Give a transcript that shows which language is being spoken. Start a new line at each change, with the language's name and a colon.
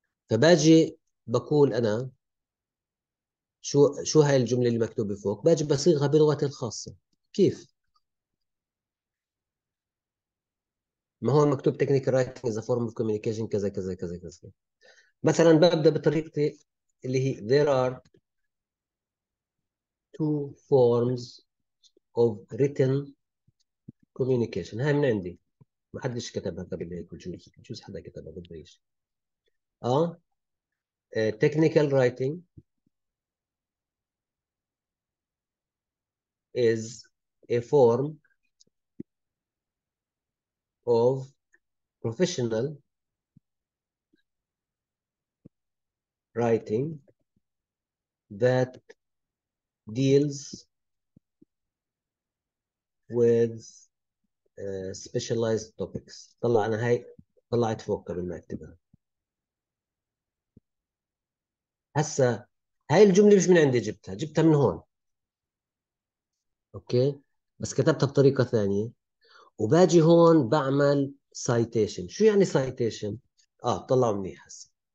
Arabic: فباجي بقول انا شو هاي الجمله اللي مكتوبه فوق، باجي بصيغها بلغتي الخاصه. كيف؟ ما هو مكتوب
English: technical writing as form of communication
Arabic: كذا كذا كذا كذا. مثلا ببدا بطريقتي اللي هي
English: there are two forms of written communication.
Arabic: هاي من عندي، ما حدش كتبها قبل هيك، جوز حدا كتبها قبل هيك.
English: technical writing is a form of professional writing that deals with specialized topics.
Arabic: طلع انا هاي طلعت فوق قبل ما اكتبها. هسه هاي الجمله مش من عندي، جبتها من هون. اوكي، بس كتبتها بطريقه ثانيه. وباجي هون بعمل citation. شو يعني citation؟ طلعوا منيح هسه.